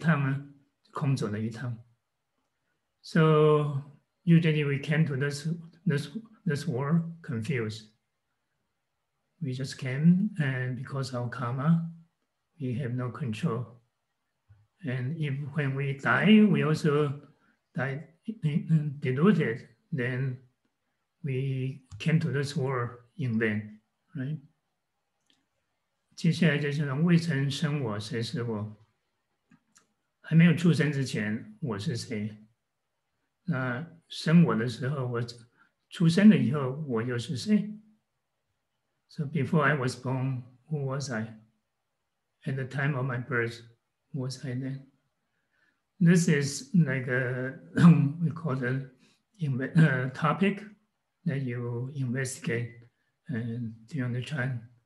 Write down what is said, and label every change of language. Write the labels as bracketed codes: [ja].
[zh] 所以来时糊涂呢，就是我们生的时候是糊涂的，来生出生投胎，去死迷，就是我们一口气不来以后，也是糊里糊涂走的。那如果是这样的话，就在走到这人间这么一趟啊，空走了一趟。 [en] So usually we came to this world confused. We just came, and because of karma, we have no control. And if when we die, we also die deluded, then we came to this world in vain, right? [zh] 接下来就是未曾生我，谁是我？还没有出生之前，我是谁？那生我的时候，我出生了以后，我又是谁？ [en] So before I was born, who was I? At the time of my birth, who was I then? This is like a, we call it a topic that you investigate during the Chan.